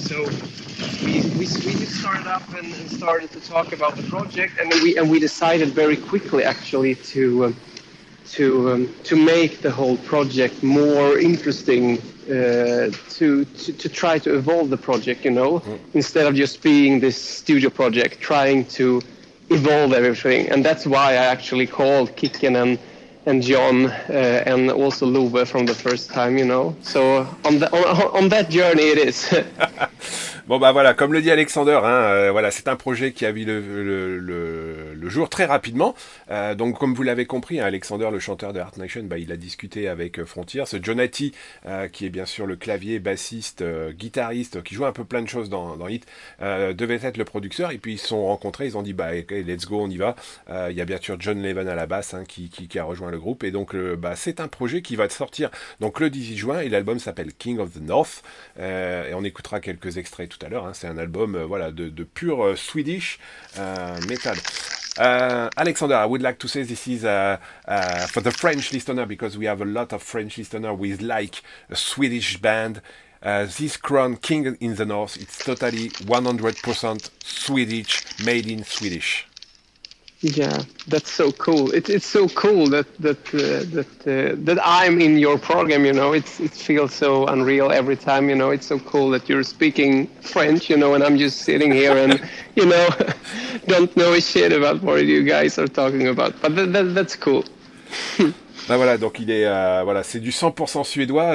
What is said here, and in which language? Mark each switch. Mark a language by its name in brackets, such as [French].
[English] So we just started up and started to talk about the project, and we decided very quickly actually to make the whole project more interesting, to try to evolve the project, you know, instead of just being this studio project, trying to evolve everything. And that's why I actually called Kicken and John and also Love from the first time, you know. So on that journey it is. [French] Bon bah voilà, comme le dit Alexander, hein, voilà, c'est un projet qui a vu le jour très rapidement. Donc comme vous l'avez compris, hein, Alexander, le chanteur de Art Nation, bah, il a discuté avec Frontier. Ce Jonati, qui est bien sûr le clavier, bassiste, guitariste, qui joue un peu plein de choses dans Hit, devait être le producteur. Et puis ils se sont rencontrés, ils ont dit bah, [English] okay, let's go, [French] on y va. Il y a bien sûr John Leven à la basse, hein, qui a rejoint le groupe. Et donc bah, c'est un projet qui va sortir donc, le 18 juin, et l'album s'appelle King of the North. Et on écoutera quelques extraits tout à l'heure, hein, c'est un album voilà, de pur Swedish metal. [English] Alexander, I would like to say this is for the French listener, because we have a lot of French listener with like a Swedish band. This Crown, King in the North, it's totally 100% Swedish, made in Swedish. Yeah, that's so cool. It's so cool that I'm in your program, you know. It feels so unreal every time, you know. It's so cool that you're speaking French, you know, and I'm just sitting here and, you know, don't know a shit about what you guys are talking about. But that's cool. [French] Ben voilà, donc il est voilà, c'est du 100% suédois.